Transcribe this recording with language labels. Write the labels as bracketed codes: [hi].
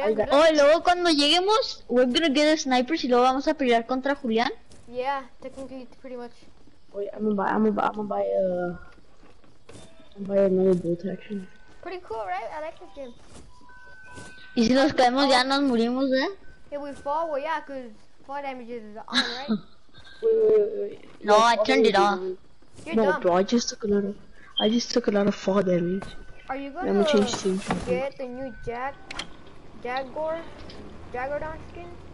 [es] Oh, y luego cuando lleguemos, [en] we're gonna get the snipers [es] y luego vamos a pelear contra Julián. [en] Yeah, technically, pretty much. Wait, I'm gonna buy buy another bolt action. Pretty cool, right? I like this game. [es] Y si nos caemos, ya nos morimos, ¿eh? [en] If we fall, well, yeah, because fall damage is on, right? Wait. No, I turned it off. You're dumb. No, bro, I just took a lot of fall damage. Are you gonna change teams? Get the new Jagordon skin?